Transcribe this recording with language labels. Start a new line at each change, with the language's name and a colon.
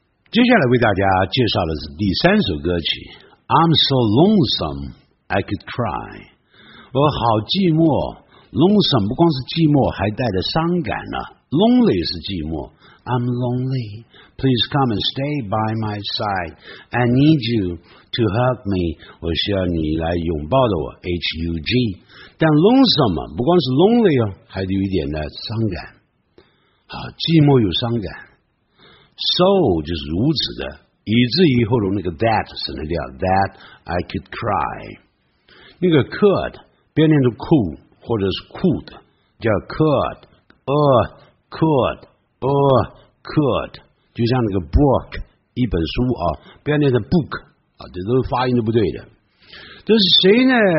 Chinese: 接下来为大家介绍的是第三首歌曲 I'm so lonesome I could cry， 我好寂寞。 Lonesome 不光是寂寞，还带着伤感呢。 Lonely 是寂寞。
English: I'm lonely Please come and stay by my side I need you to hug me，
Chinese: 我需要你来拥抱着我
English: HUG。
Chinese: 但 lonesome 不光是 lonely 还有一点的伤感，好，寂寞有伤感。 So 就是如此的，以至于后头那个 that 省了掉
English: that I could cry，
Chinese: 那个 could 别念成 cool 或者是 could 叫 could could could， 就像那个 book 一本书啊，别念成 book 啊，这都发音都不对的。这是谁呢？